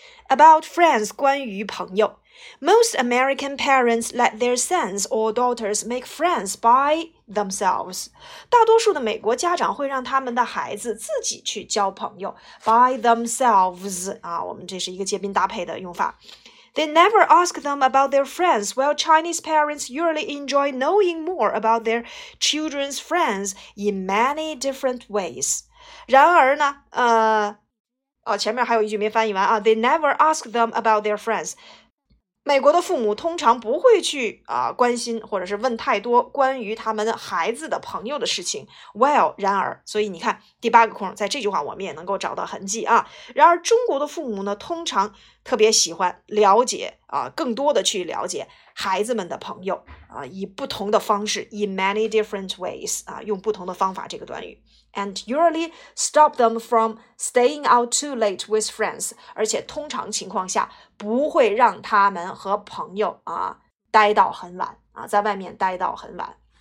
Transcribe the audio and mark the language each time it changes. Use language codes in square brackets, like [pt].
[en] about friends [zh] 关于朋友。 [en] Most American parents let their sons or daughters make friends by themselves. [zh] 大多数的美国家长会让他们的孩子自己去交朋友 [en] by themselves. [zh] 啊，我们这是一个接宾搭配的用法。 [en] They never ask them about their friends, while Chinese parents usually enjoy knowing more about their children's friends in many different ways. [zh] 然而呢，前面还有一句没翻译完啊。 [en] They never ask them about their friends. [zh] 美国的父母通常不会去关心或者是问太多关于他们孩子的朋友的事情。 Well, 然而，所以你看第八个空在这句话我们也能够找到痕迹啊。然而中国的父母呢通常特别喜欢了解更多的去了解孩子们的朋友以不同的方式 , [en] in many different ways, [zh] 用不同的方法这个短语。 [en] And usually stop them from staying out too late with friends. [zh] 而且通常情况下不会让他们和朋友待到很晚在外面待到很晚。